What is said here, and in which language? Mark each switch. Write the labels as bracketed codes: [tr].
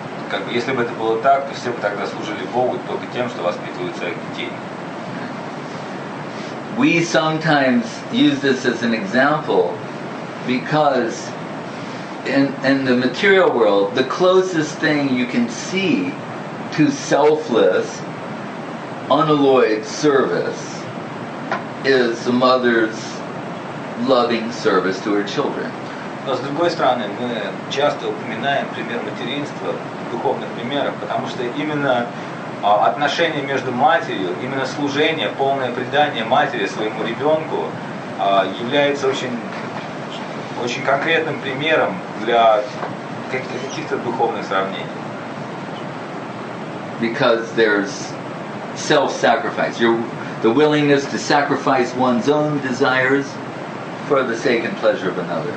[ru] Как бы, если бы это было так, то все бы тогда служили Богу только тем, что воспитывают своих детей. [en] We sometimes use this as an example because in the material world, the closest thing you can see to selfless, unalloyed service is a mother's loving service to her children. [ru] Но с другой стороны, мы часто упоминаем пример материнства в духовных примерах, потому что именно отношение между матерью, именно служение, полное предание матери своему ребенку является очень конкретным примером для каких-то духовных сравнений. [en] Because there's self-sacrifice, the willingness to sacrifice one's own desires for the sake and pleasure of another.